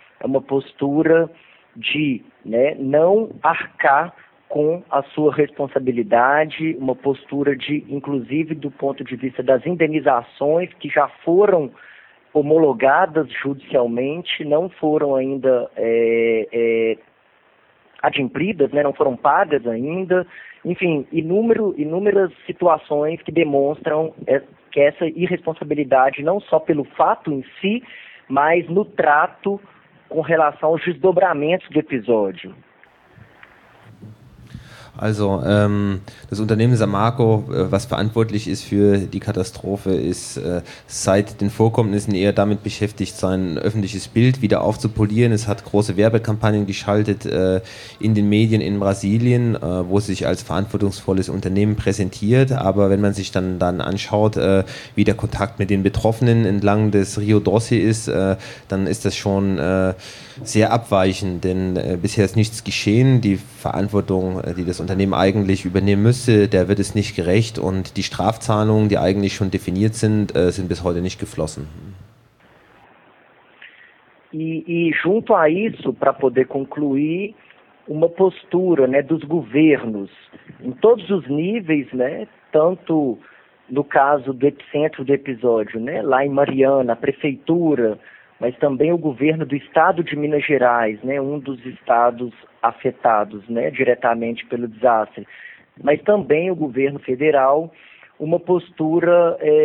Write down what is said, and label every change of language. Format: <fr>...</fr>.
<pt>É uma postura de, né, não arcar com a sua responsabilidade, uma postura de, inclusive, do ponto de vista das indenizações que já foram homologadas judicialmente, não foram ainda adimplidas, né, não foram pagas ainda. Enfim, inúmeras situações que demonstram que essa irresponsabilidade, não só pelo fato em si, mas no trato com relação aos desdobramentos do episódio.</pt> <de>Also, das Unternehmen Samarco, was verantwortlich ist für die Katastrophe, ist seit den Vorkommnissen eher damit beschäftigt, sein öffentliches Bild wieder aufzupolieren. Es hat große Werbekampagnen geschaltet in den Medien in Brasilien, wo es sich als verantwortungsvolles Unternehmen präsentiert. Aber wenn man sich dann anschaut, wie der Kontakt mit den Betroffenen entlang des Rio Doce ist, dann ist das schon sehr abweichend, denn bisher ist nichts geschehen. Die Verantwortung, die das Unternehmen eigentlich übernehmen müsste, der wird es nicht gerecht und die Strafzahlungen, die eigentlich schon definiert sind, sind bis heute nicht geflossen.</de> <pt>E junto a isso, para poder concluir, uma postura, né, dos governos em todos os níveis, né, tanto no caso do epicentro do episódio, né, lá em Mariana, a prefeitura, mas também o governo do estado de Minas Gerais, né, um dos estados afetados, né, diretamente pelo desastre, mas também o governo federal, uma postura</pt>